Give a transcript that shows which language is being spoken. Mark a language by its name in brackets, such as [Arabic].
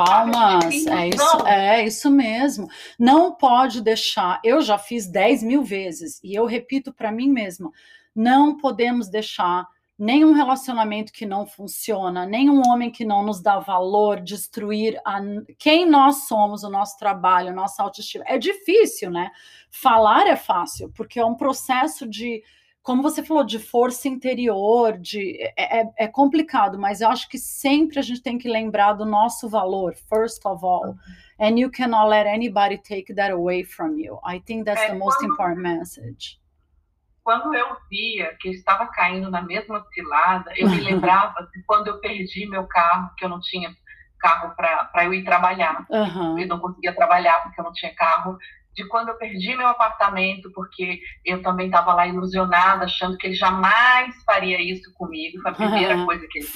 [Portuguese] Palmas, é isso mesmo, não pode deixar, eu já fiz 10 mil vezes, e eu repito para mim mesma, não podemos deixar nenhum relacionamento que não funciona, nenhum homem que não nos dá valor, destruir quem nós somos, o nosso trabalho, a nossa autoestima. É difícil, né? Falar é fácil, porque é um processo de, como você falou, de força interior, é complicado, mas eu acho que sempre a gente tem que lembrar do nosso valor, [English] first of all. Uh-huh. And you cannot let anybody take that away from you. I think that's the most important message. [Portuguese] Quando eu via que eu estava caindo na mesma cilada, eu me lembrava de quando eu perdi meu carro, que eu não tinha carro para eu ir trabalhar. Uhum. Eu não conseguia trabalhar porque eu não tinha carro. de quando eu perdi meu apartamento, porque eu também estava lá ilusionada, achando que ele jamais faria isso comigo, foi a primeira coisa que ele fez,